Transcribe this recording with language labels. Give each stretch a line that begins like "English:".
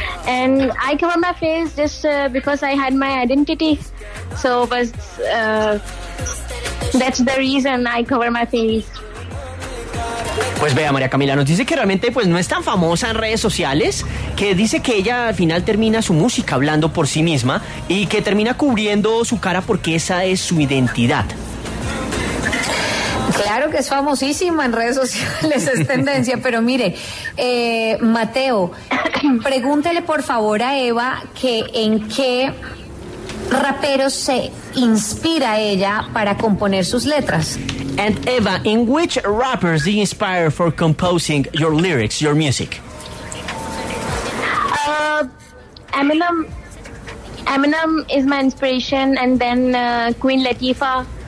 English: And I cover my face just because I had my identity. So that's the reason I cover my face.
Spanish: Pues vea, María Camila nos dice que realmente pues no es tan famosa en redes sociales, que dice que ella al final termina su música hablando por sí misma y que termina cubriendo su cara porque esa es su identidad. Claro que es famosísima en redes sociales, es tendencia, pero mire, Mateo, pregúntele por favor a Eva que en qué rapero se inspira ella para componer sus letras.
English: And Eva, in which rappers do you inspire for composing your lyrics, your music? Eminem is my inspiration, and then Queen Latifah.